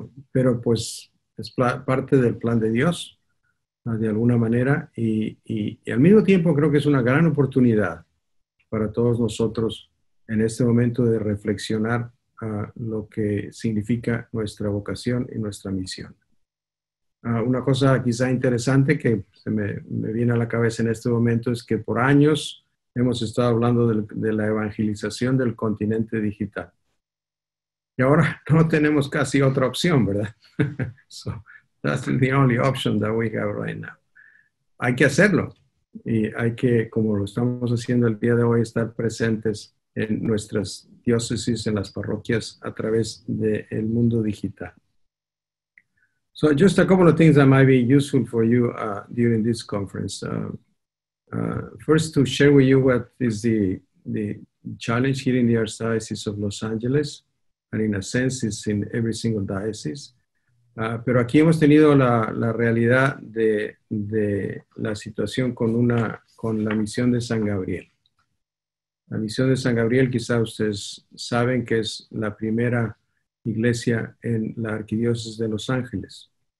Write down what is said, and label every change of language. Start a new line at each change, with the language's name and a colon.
Spanish: Pero pues es parte del plan de Dios, de alguna manera, y al mismo tiempo creo que es una gran oportunidad para todos nosotros en este momento de reflexionar lo que significa nuestra vocación y nuestra misión. Una cosa quizá interesante que me viene a la cabeza en este momento es que por años hemos estado hablando de la evangelización del continente digital. Y ahora no tenemos casi otra opción, ¿verdad?
English: So, that's the only option that we have right now.
Spanish: Hay que hacerlo. Y hay que, como lo estamos haciendo el día de hoy, estar presentes en nuestras diócesis, en las parroquias, a través del mundo digital.
English: So, just a couple of things that might be useful for you during this conference. First, to share with you what is the challenge here in the Archdiocese of Los Angeles. And in a sense, it's in every single diocese.
Spanish: Pero aquí hemos tenido la realidad de la situación con la misión de San Gabriel. La misión de San Gabriel, quizá ustedes saben que es la primera iglesia en la Arquidiócesis de Los Ángeles.